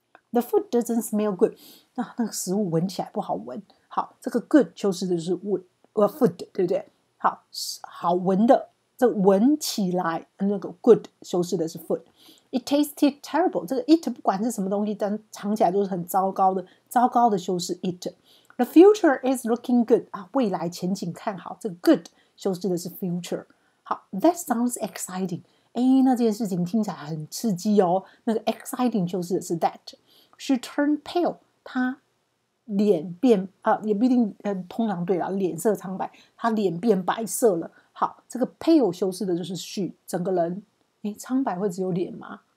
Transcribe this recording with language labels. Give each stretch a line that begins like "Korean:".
English: The food doesn't smell good，
Chinese: 那个食物闻起来不好闻。好，这个 good 修饰的是 food， 对不对？好，好闻的，这闻起来那个 good 修饰的是 food。
English: It tasted terrible，
Chinese: 这个 it 不管是什么东西，但尝起来都是很糟糕的，糟糕的修饰 it。
English: The future is looking good，
Chinese: 啊，未来前景看好，这个 good 修饰的是 future。 好，
English: That sounds exciting，
Chinese: A 那件事情听起来很刺激哦，那个 exciting 就是是
English: that she turned pale，
Chinese: 她脸变啊，也不一定，通常对啦，脸色苍白，她脸变白色了。好，这个 pale 修饰的就是 she 整个人，哎，苍白会只有脸吗？